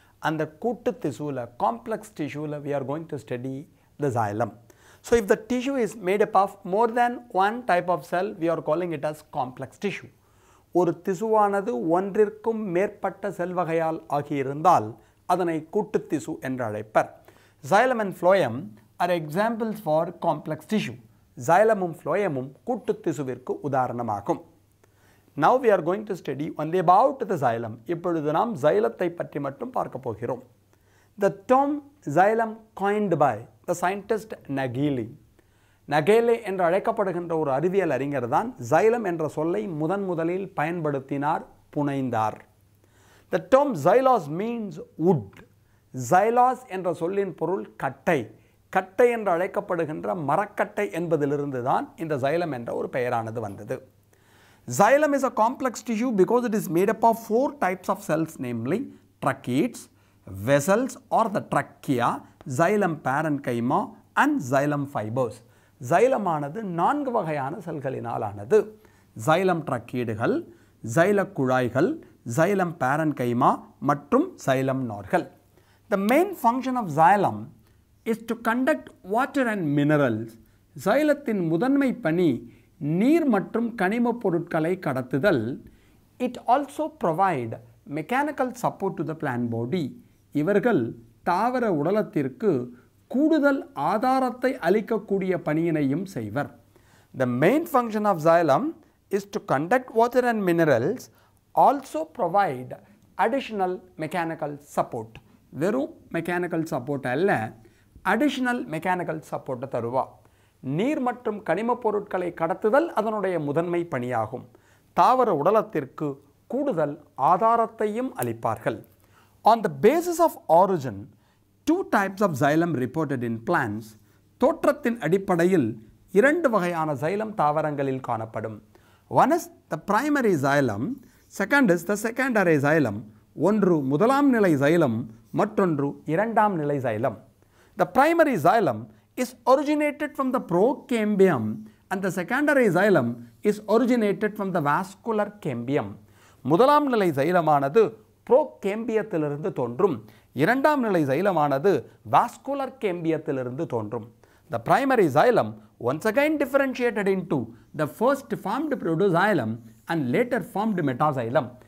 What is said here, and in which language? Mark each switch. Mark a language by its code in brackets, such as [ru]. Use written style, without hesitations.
[ta] அந்த கூட்டு திசுவில், [en] Complex டிஷ்யூவில் we are going to study the xylem. So if the tissue is made up of more than one type of cell, we are calling it as complex tissue. [ta] ஒரு திசுவானது ஒன்றிற்கும் மேற்பட்ட செல் வகையால் ஆகியிருந்தால் அதனை கூட்டு திசு என்று அழைப்பர். [en] Xylem and phloem are examples for complex tissue. [ta] Xylemum phloemum கூட்டு திசுவிற்கு உதாரணமாகும். [en] Now we are going to study only about the xylem. [ta] இப்பொழுது நாம் xylத்தை பற்றி மட்டும் பார்க்க போகிறோம். [en] The term xylem coined by the scientist Nageli. [ta] Nageli என்று அழைக்கப்படுகின்ற ஒரு அறிவியல் அறிஞர் தான் xylem என்ற சொல்லை முதன் முதலில் பயன்படுத்தினார், புனைந்தார். [en] The term xylos means wood. [ta] Xylos என்ற சொல்லின் பொருள் கட்டை. கட்டை என்று அழைக்கப்படுகின்ற மரக்கட்டை என்பதிலிருந்து தான் இந்த xylem என்ற ஒரு பெயரானது வந்தது. [en] Xylem is a complex tissue because it is made up of four types of cells, namely tracheids, vessels or the trachea, Xylem Parenchyma and Xylem Fibers. [ta] Xylem ஆனது நான்கு வகையான செல்களினால் ஆனது. Xylem Tracheidகள், Xylem குழாய்கள், Xylem Parenchyma மற்றும் Xylem Nodules. [en] The main function of Xylem is to conduct water and minerals. [ta] Xylemத்தின் முதன்மை பணி நீர் மற்றும் கனிமப் பொருட்களை கடத்துதல். [en] It also provide mechanical support to the plant body. [ta] இவர்கள் தாவர உடலத்திற்கு கூடுதல் ஆதாரத்தை அளிக்கக்கூடிய பணியினையும் செய்வர். [en] The main function of Xylem is to conduct water and minerals, also provide additional mechanical support. [ta] வெறும் மெக்கானிக்கல் சப்போர்ட் அல்ல, அடிஷ்னல் மெக்கானிக்கல் சப்போர்ட்டை தருவா. நீர் மற்றும் கனிமப் பொருட்களை கடத்துதல் அதனுடைய முதன்மை பணியாகும். தாவர உடலத்திற்கு கூடுதல் ஆதாரத்தையும் அளிப்பார்கள். [en] On the basis of origin, two types of xylem reported in plants. [ta] தோற்றத்தின் அடிப்படையில் இரண்டு வகையான xylem தாவரங்களில் காணப்படும். [en] One is the primary xylem, second is the secondary xylem. [ta] ஒன்று முதலாம் நிலை xylem, மற்றொன்று இரண்டாம் நிலை xylem. [en] The primary xylem is originated from the procambium and the secondary xylem is originated from the vascular cambium. [ta] முதலாம் நிலை xylemானது ப்ரோகேம்பியத்திலிருந்து தோன்றும். இரண்டாம் நிலை சைலமானது வாஸ்குலர் கேம்பியத்திலிருந்து தோன்றும். [en] The primary xylem once again differentiated into the first formed protoxylem and later formed metaxylem.